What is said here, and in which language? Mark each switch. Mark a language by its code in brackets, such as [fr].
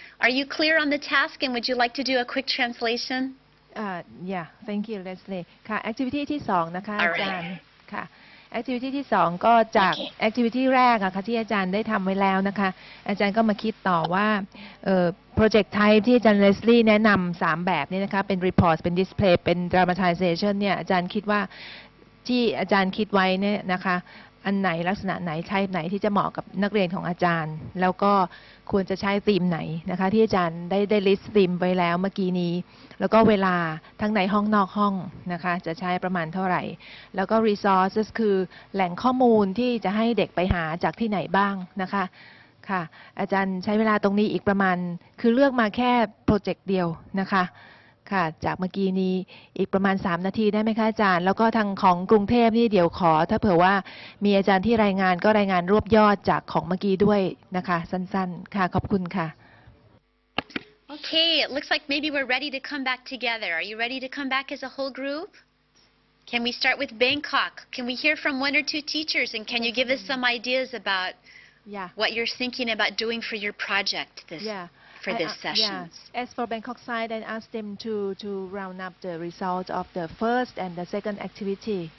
[en] Are you clear on the task, and would you like to do a quick translation? Yeah, thank you, Leslie. Activity 2, all right. [th] Activity ที่2ก็จาก activity แรกอะค่ะที่อาจารย์ได้ทำไว้แล้วนะคะอาจารย์ก็มาคิดต่อว่าproject type ที่อาจารย์ Leslie แนะนํา3แบบนี้นะคะเป็น report เป็น display เป็น dramatization เนี่ยอาจารย์คิดว่า ที่อาจารย์คิดไว้เนี่ยนะคะอันไหนลักษณะไหน type ไหนที่จะเหมาะกับนักเรียนของอาจารย์แล้วก็ควรจะใช้ theme ไหนนะคะที่อาจารย์ได้ list theme ไว้แล้วเมื่อกี้นี้แล้วก็เวลาทั้งในห้องนอกห้องนะคะจะใช้ประมาณเท่าไหร่แล้วก็ resources คือแหล่งข้อมูลที่จะให้เด็กไปหาจากที่ไหนบ้างนะคะค่ะอาจารย์ใช้เวลาตรงนี้อีกประมาณคือเลือกมาแค่โปรเจกต์เดียวนะคะ ค่ะจากเมื่อกี้นี้อีกประมาณ3นาทีได้ไหมคะอาจารย์แล้วก็ทางของกรุงเทพนี่เดี๋ยวขอถ้าเผื่อว่ามีอาจารย์ที่รายงานก็รายงานรวบยอดจากของเมื่อกี้ด้วยนะคะสั้นๆค่ะขอบคุณค่ะ [en] Okay, it looks like maybe we're ready to come back together. Are you ready to come back as a whole group? Can we start with Bangkok? Can we hear from one or two teachers? And can you give us some ideas about what you're thinking about doing for your project this session? As for Bangkok side, I asked them to round up the results of the first and the second activity.